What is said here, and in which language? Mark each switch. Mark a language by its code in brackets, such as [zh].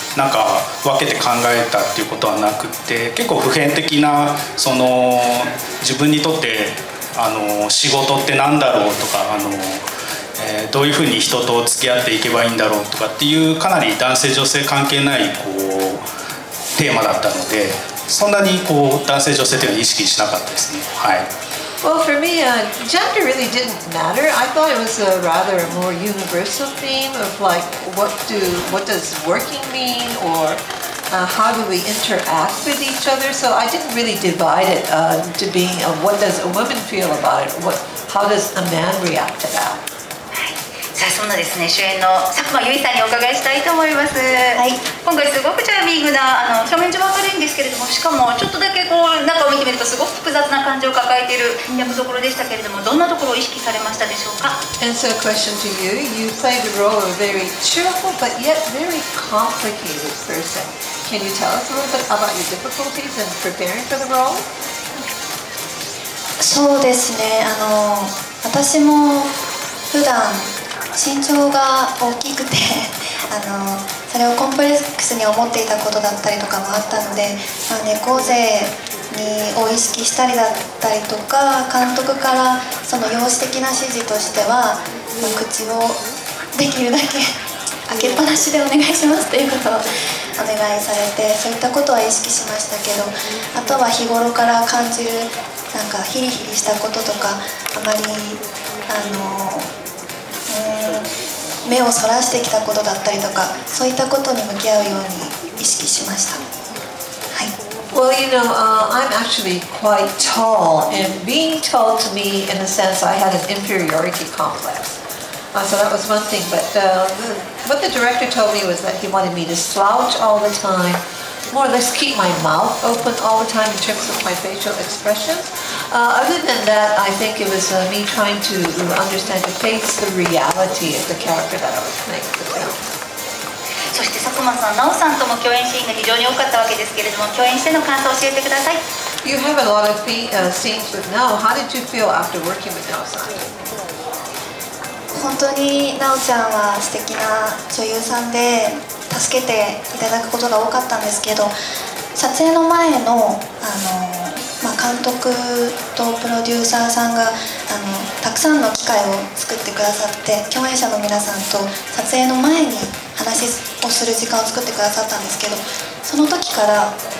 [ja] なんか分けて考えたっていうことはなくて、結構普遍的なその自分にとってあの仕事って何だろうとか、あのどういうふうに人と付き合っていけばいいんだろうとかっていう、かなり男性女性関係ないこうテーマだったので、そんなにこう男性女性というのは意識しなかったですね。はい。 [en] Well, for me, gender really didn't matter. I thought it was a rather more universal theme of like, what does working mean, or how do we interact with each other? So I didn't really divide it to being of what does a woman feel about it, how does a man react to that? [ja] さあ、そんなですね、主演の佐久間由衣さんにお伺いしたいと思います。はい、今回すごくチャーミングな、あの表面上は明るいんですけれども、しかもちょっとだけこう中を見てみるとすごく複雑な感情を抱えている役どころでしたけれども、どんなところを意識されましたでしょうか。 [en] And so a question to you. You play the role of a very cheerful but yet very complicated person. Can you tell us a little bit about your difficulties in preparing for the role? [ja] そうですね、あの私も普段身長が大きくて、あのそれをコンプレックスに思っていたことだったりとかもあったので、まあ、猫背を意識したりだったりとか、監督からその容姿的な指示としては、まあ、口をできるだけ開けっぱなしでお願いしますということをお願いされて、そういったことは意識しましたけど、あとは日頃から感じるなんかヒリヒリしたこととか、あまりあの目をそらしてきたことだったりとか、そういったことに向き合うように意識しました。はい。 [en] Well, you know, I'm actually quite tall, and being tall to me, in a sense, I had an inferiority complex. So that was one thing, but what the director told me was that he wanted me to slouch all the time, more or less keep my mouth open all the time in terms of my facial expressions. Other than that, I think it was me trying to understand to face the reality of the character that I was playing for the film. [ja] そして佐久間さん、奈緒さんとも共演シーンが非常に多かったわけですけれども、共演しての感想を教えてください。 [en] You have a lot of scenes with Nao. How did you feel after working with Nao-san? [ja] 本当に奈緒ちゃんは素敵な女優さんで、助けていただくことが多かったんですけど、撮影の前の、まあ、監督とプロデューサーさんがあのたくさんの機会を作ってくださって、共演者の皆さんと撮影の前に話をする時間を作ってくださったんですけど、その時からあの